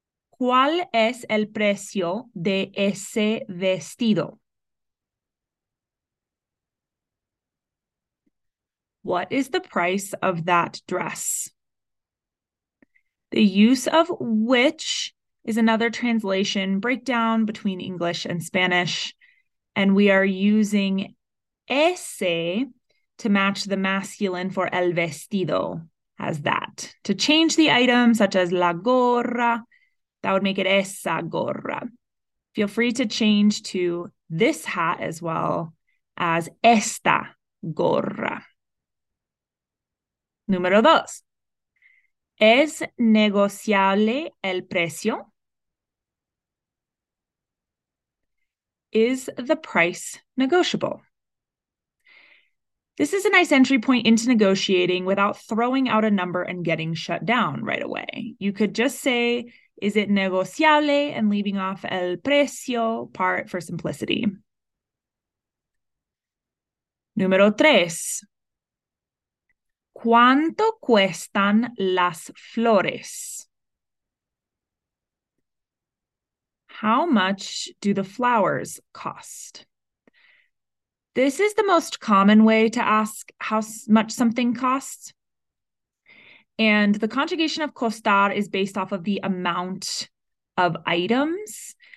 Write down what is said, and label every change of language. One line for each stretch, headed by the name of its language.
Spanish: ¿Cuál es el precio de ese vestido?
English: What is the price of that dress? The use of which is another translation breakdown between English and Spanish. And we are using ese to match the masculine for el vestido as that. To change the item, such as la gorra, that would make it esa gorra. Feel free to change to this hat as well as esta gorra.
Spanish: Número dos, ¿es negociable el precio?
English: Is the price negotiable? This is a nice entry point into negotiating without throwing out a number and getting shut down right away. You could just say, is it negociable, and leaving off el precio part for simplicity.
Spanish: Número tres, ¿cuánto cuestan las flores?
English: How much do the flowers cost? This is the most common way to ask how much something costs. And the conjugation of costar is based off of the amount of items.